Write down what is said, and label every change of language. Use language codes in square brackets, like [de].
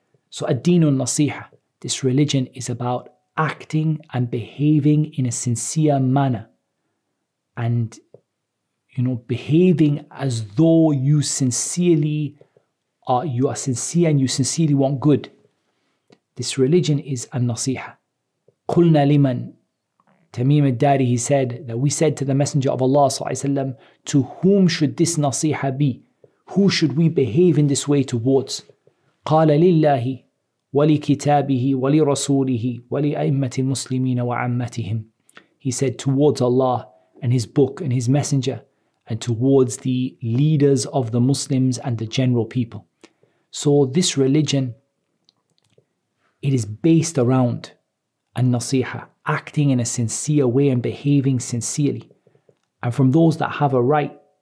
[en] So [ar] ad-deenu an-nasiha, [en] this religion is about acting and behaving in a sincere manner, and behaving as though you are sincere and you sincerely want good. This religion is an-nasiha. [ar] Qulna liman, [en] Tamim al-Dari, he said that we said to the Messenger of Allah sallallahu alaihi wasallam, to whom should this nasiha be? Who should we behave in this way towards? [ar] Qala lillahi ولكتابه ولرسوله ولأئمة المسلمين وعامتهم. [en] He said, towards Allah and His book and His messenger, and towards the leaders of the Muslims and the general people. So this religion, it is based around an-nasiha, acting in a sincere way and behaving sincerely. And from those that have a right